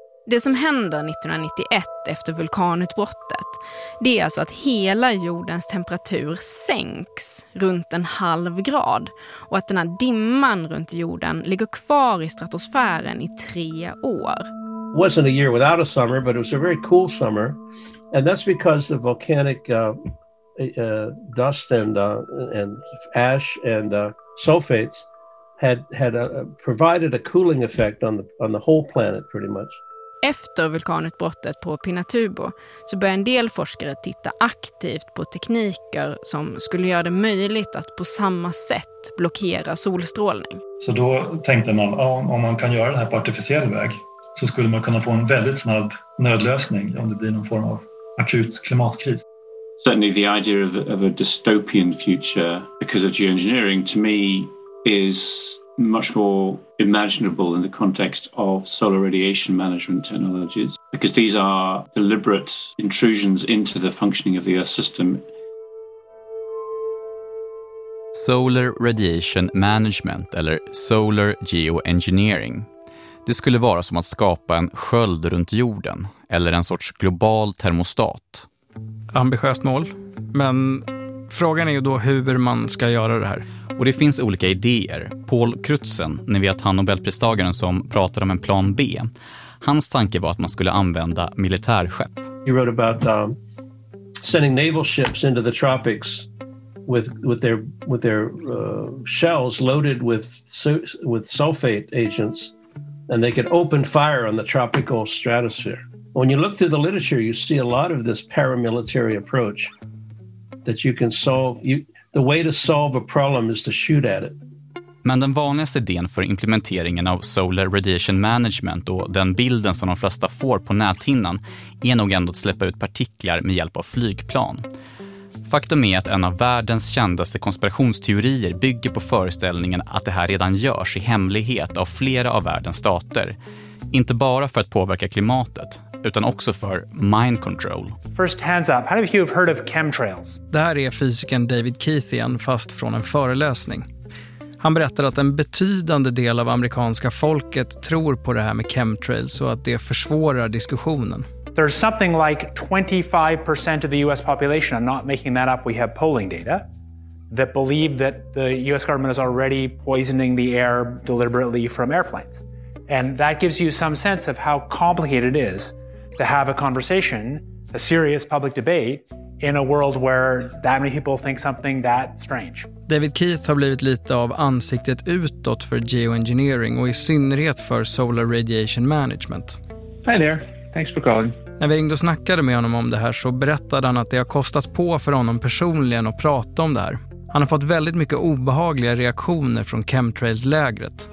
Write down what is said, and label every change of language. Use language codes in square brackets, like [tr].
[sv] Det som händer 1991 efter vulkanutbrottet, det är alltså att hela jordens temperatur sänks runt en halv grad och att den här dimman runt jorden ligger kvar i stratosfären i 3 år. [en] It wasn't a year without a summer, but it was a very cool summer. And that's because the volcanic dust and ash and sulfates had provided a cooling effect on the whole planet pretty much. [sv] Efter vulkanutbrottet på Pinatubo så började en del forskare titta aktivt på tekniker som skulle göra det möjligt att på samma sätt blockera solstrålning. Så då tänkte man, om man kan göra det här på artificiell väg så skulle man kunna få en väldigt snabb nödlösning om det blir någon form av akut klimatkris. [en] Certainly the idea of a dystopian future because of geoengineering to me is much more imaginable in the context of solar radiation management technologies, because these are deliberate intrusions into the functioning of the Earth system. [sv] Solar radiation management, eller solar geoengineering. Det skulle vara som att skapa en sköld runt jorden, eller en sorts global termostat. Ambitiöst mål, men frågan är ju då hur man ska göra det här. Och det finns olika idéer. Paul Crutzen, ni vet han Nobelpristagaren som pratade om en plan B. Hans tanke var att man skulle använda militärskepp. [en] He wrote about sending naval ships into the tropics with their shells loaded with sulfate agents, and they could open fire on the tropical stratosphere. When you look through the literature, you see a lot of this paramilitary approach that you can solve. The way to solve a problem is to shoot at it. [sv] Men den vanligaste idén för implementeringen av solar radiation management och den bilden som de flesta får på näthinnan är nog ändå att släppa ut partiklar med hjälp av flygplan. Faktum är att en av världens kändaste konspirationsteorier bygger på föreställningen att det här redan görs i hemlighet av flera av världens stater. Inte bara för att påverka klimatet, utan också för [en] mind control. First hands up. How many of you have heard of chemtrails? [sv] Det här är fysikern David Keith igen, fast från en föreläsning. Han berättar att en betydande del av amerikanska folket tror på det här med chemtrails och att det försvårar diskussionen. [en] There's something like 25% of the US population, I'm not making that up, we have polling data, that believe that the US government is already poisoning the air deliberately from airplanes. And that gives you some sense of how complicated it is to have a conversation, a serious public debate, in a world where that many people think something that strange. [sv] David Keith har blivit lite av ansiktet utåt för geoengineering och i synnerhet för solar radiation management. [en] Hi there. Thanks for calling. [sv] När vi ringde och snackade med honom om det här så berättade han att det har kostat på för honom personligen att prata om det här. Han har fått väldigt mycket obehagliga reaktioner från chemtrails-lägret.